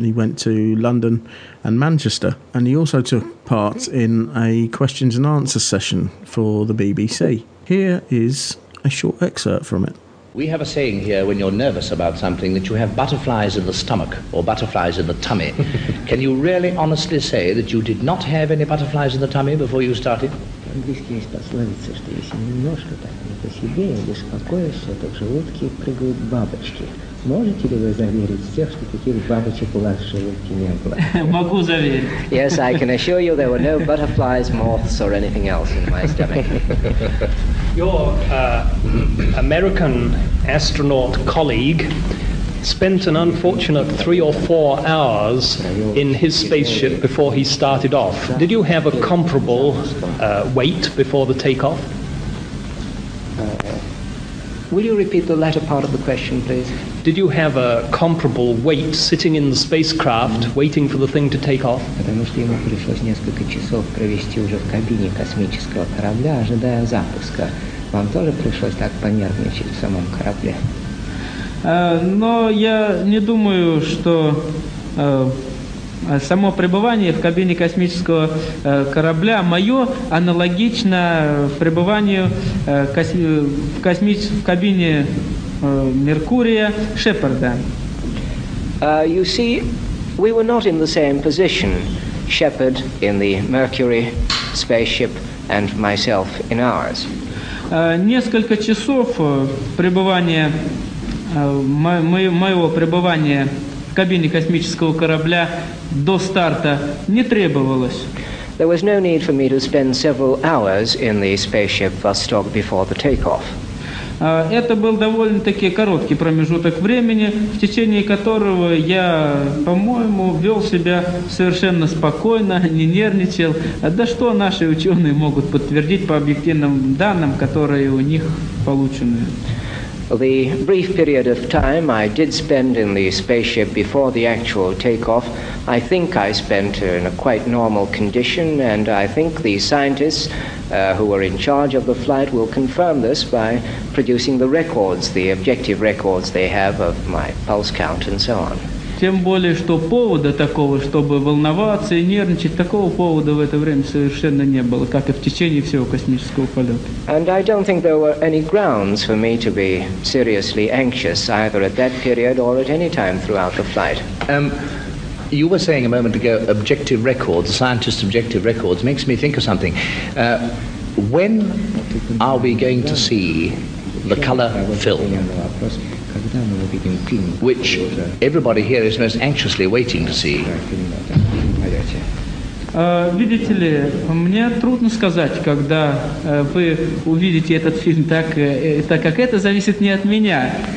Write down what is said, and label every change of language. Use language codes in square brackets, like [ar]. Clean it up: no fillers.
[en] He went to London and Manchester, and he also took part in a questions and answers session for the BBC. Here is a short excerpt from it. We have a saying here, when you're nervous about something, that you have butterflies in the stomach or butterflies in the tummy. Can you really honestly say that you did not have any butterflies in the tummy before you started? [ru] В английский есть пословица, что если немножко так не по себе и беспокоишься, то в желудке прыгают бабочки. Можете ли вы заверить всех, что таких бабочек у вас в желудке не было? Могу заверить. [en] Yes, I can assure you there were no butterflies, moths or anything else in my stomach. Your American astronaut colleague spent an unfortunate 3 or 4 hours in his spaceship before he started off. Did you have a comparable wait before the takeoff? Will you repeat the latter part of the question, please? Did you have a comparable wait sitting in the spacecraft waiting for the thing to take off? [ru] Потому что ему пришлось несколько часов провести уже в кабине космического корабля, ожидая запуска. Вам тоже пришлось так понервничать в самом корабле? Но я не думаю, что само пребывание в кабине космического корабля мое аналогично пребыванию в кабине Меркурия Шепарда. [en] You see, we were not in the same position, Shepard in the Mercury spaceship and myself in ours. [ru] Несколько часов пребывания моего пребывания в кабине космического корабля до старта не требовалось. [en] There was no need for me to spend several hours in the spaceship Vostok before the takeoff. [ru] Это был довольно-таки короткий промежуток времени, в течение которого я, по-моему, вел себя совершенно спокойно, не нервничал. Да что наши ученые могут подтвердить по объективным данным, которые у них получены? [en] The brief period of time I did spend in the spaceship before the actual takeoff, I think I spent in a quite normal condition, and I think the scientists who were in charge of the flight will confirm this by producing the records, the objective records they have of my pulse count and so on. [ru] Тем более, что повода такого, чтобы волноваться и нервничать, такого повода в это время совершенно не было, как и в течение всего космического полета. [en] And I don't think there were any grounds for me to be seriously anxious either at that period or at any time throughout the flight. You were saying a moment ago objective records, the scientists' objective records, makes me think of something. When are we going to see the color film? Which everybody here is most anxiously waiting to see. [ru] Видите ли, мне трудно сказать, когда вы увидите этот фильм, так как это зависит не от меня.